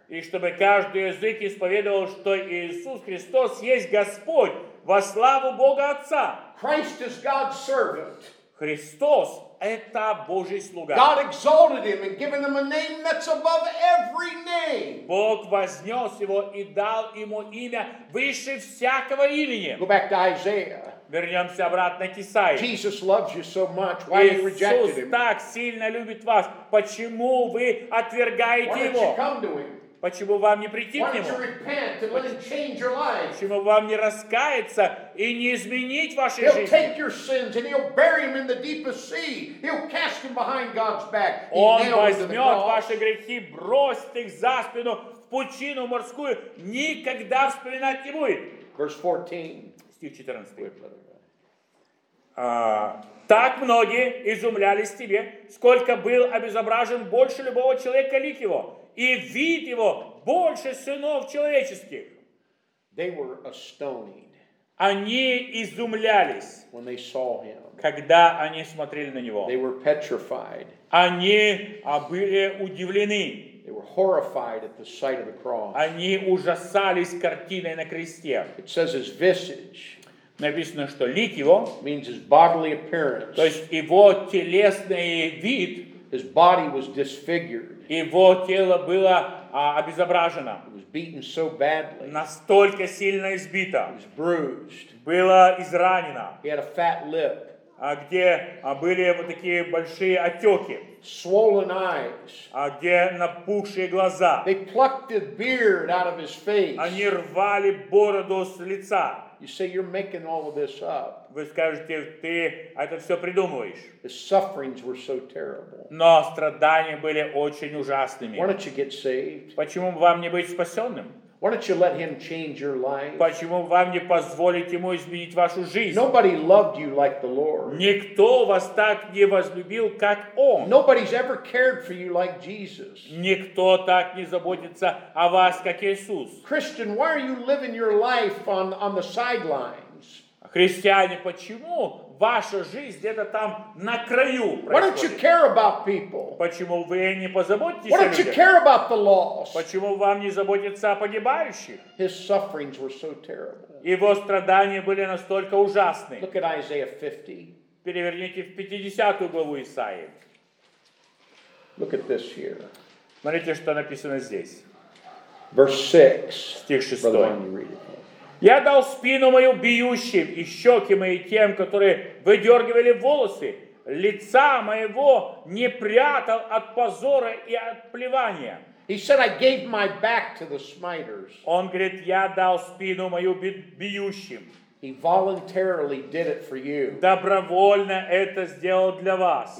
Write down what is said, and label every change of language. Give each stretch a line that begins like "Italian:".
Russian: И чтобы каждый язык исповедовал, что Иисус Христос есть Господь во славу Бога Отца.
English: Christ is God's servant.
Russian: Христос – это Божий слуга.
English: God exalted him and given him a name that's above every name.
Russian: Бог вознес его и дал ему имя выше всякого имени.
English: Go back to Isaiah.
Russian: Вернемся обратно к Исаии.
English: Jesus loves you so much. Why are you rejecting him?
Russian: Иисус так сильно любит вас. Почему вы отвергаете его?
English: Why don't you come to him?
Russian: Почему вам не прийти к нему? Почему вам не раскаяться и не изменить вашей жизни?
English: He'll take your sins and he'll bury them in the deepest sea. He'll cast them behind God's back. Он
Russian: возьмет ваши грехи, бросит их за спину в пучину морскую, никогда вспоминать не будет.
English: Verse 14.
Russian: Стих 14. Так многие изумлялись тебе, сколько был обезображен больше любого человека лик его. И вид его больше сынов человеческих.
English: They were astonished.
Russian: Они изумлялись.
English: When they saw him.
Russian: Когда они смотрели на него.
English: They were petrified.
Russian: Они были удивлены.
English: They were horrified at the sight of the cross.
Russian: Они ужасались картиной на кресте.
English: It says his visage.
Russian: Написано, что лик его.
English: Means his bodily appearance.
Russian: То есть его телесный вид.
English: His body was disfigured.
Russian: Его тело было обезображено.
English: It was beaten so badly.
Russian: Настолько сильно избито.
English: It was bruised.
Russian: Было изранено.
English: He had a fat lip.
Russian: Где были вот такие большие отеки.
English: Swollen eyes.
Russian: Где напухшие глаза.
English: They plucked the beard out of his face.
Russian: Они рвали бороду с лица.
English: You say you're making all of this up.
Russian: Вы скажете, ты это все придумываешь.
English: The sufferings were so terrible.
Russian: Но страдания были очень ужасными.
English: Why don't you get saved?
Russian: Почему вам не быть спасенным?
English: Why don't you let him change your life?
Russian: Почему вам не позволить ему изменить вашу жизнь?
English: Nobody loved you like the Lord.
Russian: Никто вас так не возлюбил, как Он.
English: Nobody's ever cared for you like Jesus.
Russian: Никто так не заботится о вас, как Иисус.
English: Christian, why are you living your life on the sidelines?
Russian: Христиане, почему ваша жизнь где-то там на краю происходит?
English: Why don't you care about people?
Russian: Почему вы не позаботитесь
English: Why don't you care about the lost?
Russian: Почему вам не заботиться о погибающих?
English: His sufferings were so terrible.
Russian: Его страдания были настолько ужасны.
English: Look at Isaiah 50.
Russian: Переверните в 50-ю главу Исаии.
English: Look at this here.
Russian: Смотрите, что написано здесь.
English: Verse 6.
Russian: Стих 6. Я дал спину мою бьющим и щеки мои тем, которые выдергивали волосы. Лица моего не прятал от позора и от плевания.
English: He said, I gave my back to the smiters.
Russian: Он говорит, я дал спину мою бьющим.
English: He voluntarily did it for you.
Russian: Добровольно это сделал для вас.